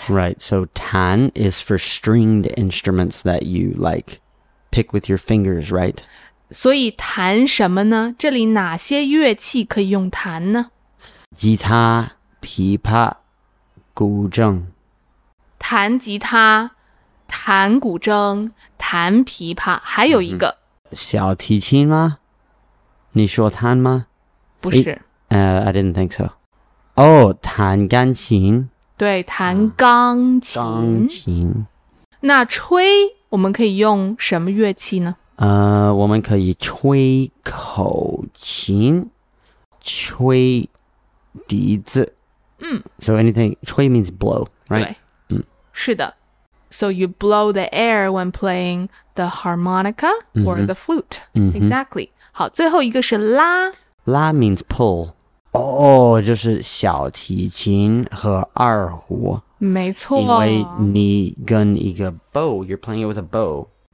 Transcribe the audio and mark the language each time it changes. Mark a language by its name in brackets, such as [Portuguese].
[English] Right, so 弹 is for stringed instruments that you like pick with your fingers, right? [Chinese] 所以弹什么呢？这里哪些乐器可以用弹呢？吉他、琵琶、古筝。弹吉他、弹古筝、弹琵琶，还有一个。小提琴吗？你说弹吗？不是。 [English] I didn't think so. [Chinese] 哦，弹钢琴。对，弹钢琴。钢琴。那吹我们可以用什么乐器呢？我们可以吹口琴，吹笛子。 [English] So anything, 吹 means blow, right? [Chinese] 对。是的。 [English] So you blow the air when playing the harmonica or the flute. Exactly. [Chinese] 好，最后一个是拉。 [English] 拉 means pull. [Chinese] 哦、oh, ，就是小提琴和二胡。没错。因为你跟一个 [English] bow, you're playing it with a bow.